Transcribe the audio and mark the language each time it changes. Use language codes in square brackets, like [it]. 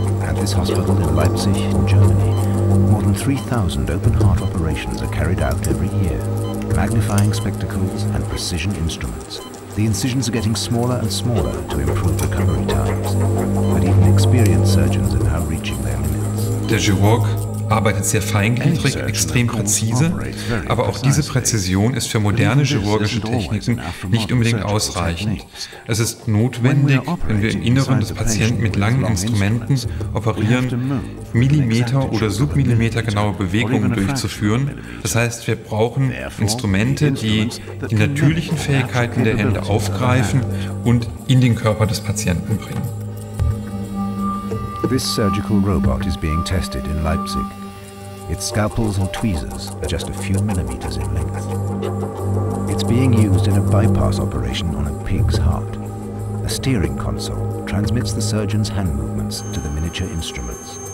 [en] At this hospital in Leipzig, in Germany, more than 3,000 open-heart operations are carried out every year. Magnifying spectacles and precision instruments. The incisions are getting smaller and smaller to improve recovery times. But even experienced surgeons are now reaching their limits. [de] Der Chirurg arbeitet sehr feingliedrig, extrem präzise, aber auch diese Präzision ist für moderne chirurgische Techniken nicht unbedingt ausreichend. Es ist notwendig, wenn wir im Inneren des Patienten mit langen Instrumenten operieren, Millimeter oder Submillimeter genaue Bewegungen durchzuführen. Das heißt, wir brauchen Instrumente, die die natürlichen Fähigkeiten der Hände aufgreifen und in den Körper des Patienten bringen. [en] This surgical robot is being tested in Leipzig. Its scalpels and tweezers are just a few millimeters in length. It's being used in a bypass operation on a pig's heart. A steering console transmits the surgeon's hand movements to the miniature instruments.